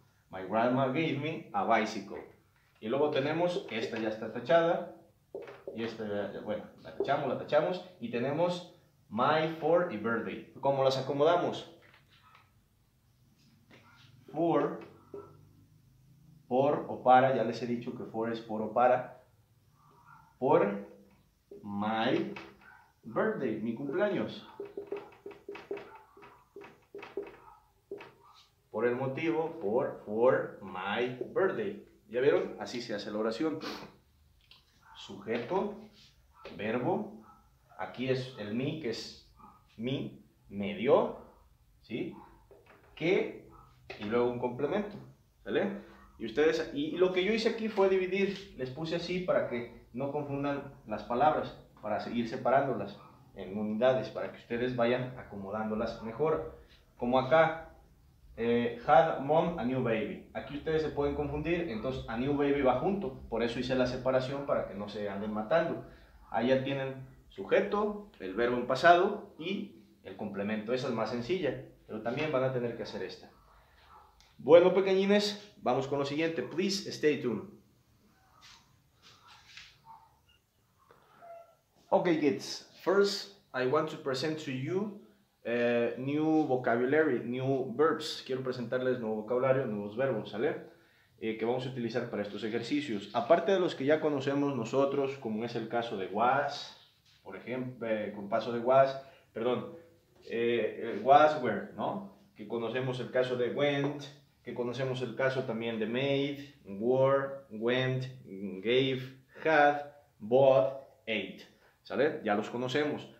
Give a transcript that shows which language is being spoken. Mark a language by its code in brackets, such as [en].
[en] My grandma gave me a bicycle. [es] Y luego tenemos, esta ya está tachada. Y esta, bueno, la tachamos. Y tenemos my, for y birthday. ¿Cómo las acomodamos? For. Por o para. Ya les he dicho que for es por o para. Por [en] my birthday. [es] Mi cumpleaños. Por el motivo, [en] for my birthday. [es] ¿Ya vieron? Así se hace la oración. Sujeto, verbo, aquí es el me, que es mi, me dio, ¿sí? Que, y luego un complemento, ¿sale? Y ustedes, y lo que yo hice aquí fue dividir, les puse así para que no confundan las palabras, para seguir separándolas en unidades, para que ustedes vayan acomodándolas mejor. Como acá, [en] had mom a new baby. [es] Aquí ustedes se pueden confundir, entonces [en] a new baby [es] va junto. Por eso hice la separación para que no se anden matando. Allá tienen sujeto, el verbo en pasado y el complemento. Esa es más sencilla, pero también van a tener que hacer esta. Bueno, pequeñines, vamos con lo siguiente. [en] Please stay tuned. Okay, kids. First, I want to present to you new vocabulary, new verbs. [es] Quiero presentarles nuevo vocabulario, nuevos verbos, ¿sale? Que vamos a utilizar para estos ejercicios. Aparte de los que ya conocemos nosotros, como es el caso de was, por ejemplo, compaso de was, perdón, was, were, ¿no? Que conocemos el caso de went, que conocemos el caso también de made, were, went, gave, had, bought, ate, ¿sale? Ya los conocemos.